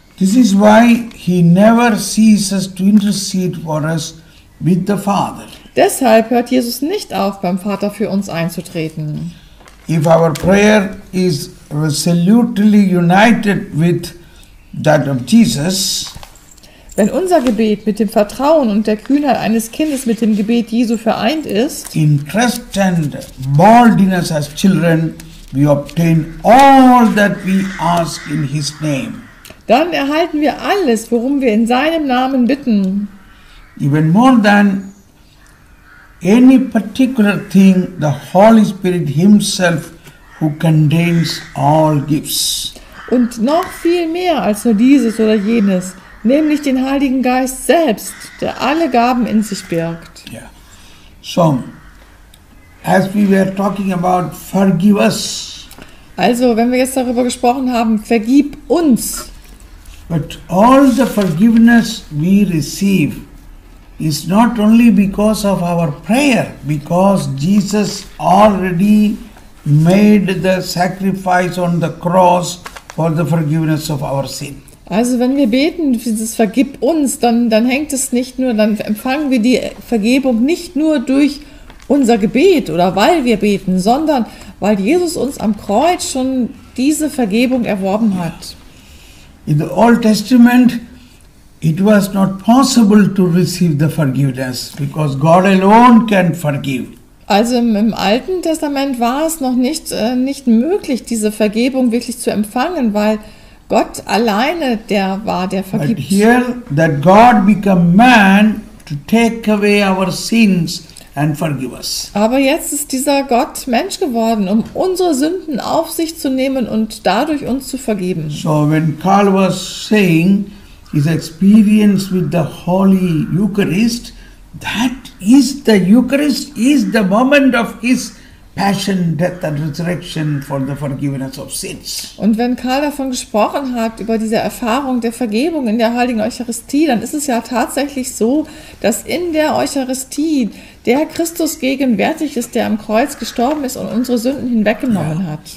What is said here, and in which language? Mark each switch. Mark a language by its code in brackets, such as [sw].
[en] This is why he never ceases to intercede for us with the Father. [de] Deshalb hört Jesus nicht auf, beim Vater für uns einzutreten. [en] If our prayer is resolutely united with that of Jesus, [de] wenn unser Gebet mit dem Vertrauen und der Kühnheit eines Kindes mit dem Gebet Jesu vereint ist, [en] in trust and boldness as children, we obtain all that we ask in his name. [de] Dann erhalten wir alles, worum wir in seinem Namen bitten. [en] Even more than any particular thing, the Holy Spirit himself who contains all gifts. [de] Und noch viel mehr als nur dieses oder jenes, nämlich den Heiligen Geist selbst, der alle Gaben in sich birgt. [en] Yeah. So, as we were talking about forgive us. [de] Also, wenn wir jetzt darüber gesprochen haben, vergib uns. [en] But all the forgiveness we receive is not only because of our prayer, because Jesus already made the sacrifice on the cross for the forgiveness of our sin. [de] Also wenn wir beten, dieses vergib uns, dann hängt es nicht nur, dann empfangen wir die Vergebung nicht nur durch unser Gebet oder weil wir beten, sondern weil Jesus uns am Kreuz schon diese Vergebung erworben hat. Ja. [en] In the Old Testament, it was not possible to receive the forgiveness because God alone can forgive. [de] Also im Alten Testament war es noch nicht möglich, diese Vergebung wirklich zu empfangen, weil Gott alleine der war, der vergibt. [en] But here, that God became man to take away our sins and forgive us. [de] Aber jetzt ist dieser Gott Mensch geworden, um unsere Sünden auf sich zu nehmen und dadurch uns zu vergeben. [en] So when Karl was saying his experience with the Holy Eucharist, that is the Eucharist is the moment of his passion, death and resurrection for the forgiveness of sins. [de] Und wenn Karl davon gesprochen hat, über diese Erfahrung der Vergebung in der Heiligen Eucharistie, dann ist es ja tatsächlich so, dass in der Eucharistie der Christus gegenwärtig ist, der am Kreuz gestorben ist und unsere Sünden hinweggenommen hat.